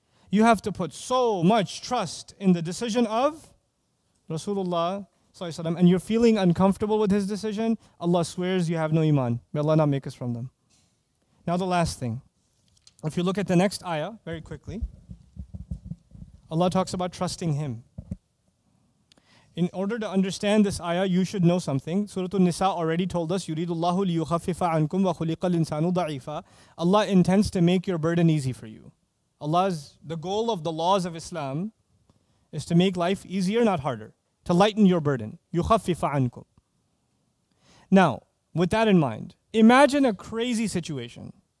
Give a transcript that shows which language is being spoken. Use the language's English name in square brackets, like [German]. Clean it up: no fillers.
[English] You have to put so much trust in the decision of Rasulullah ﷺ, and you're feeling uncomfortable with his decision, Allah swears you have no iman. May Allah not make us from them. Now the last thing. If you look at the next ayah, very quickly, Allah talks about trusting him. In order to understand this ayah, you should know something. Surah An-Nisa already told us, [Arabic] يُرِيدُ اللَّهُ لِيُخَفِّفَ عَنْكُمْ وَخُلِقَ الْإِنسَانُ ضَعِيفًا. [English] Allah intends to make your burden easy for you. The goal of the laws of Islam is to make life easier, not harder. To lighten your burden. [Arabic] يُخَفِّفَ عَنْكُمْ. [English] Now, with that in mind, imagine a crazy situation.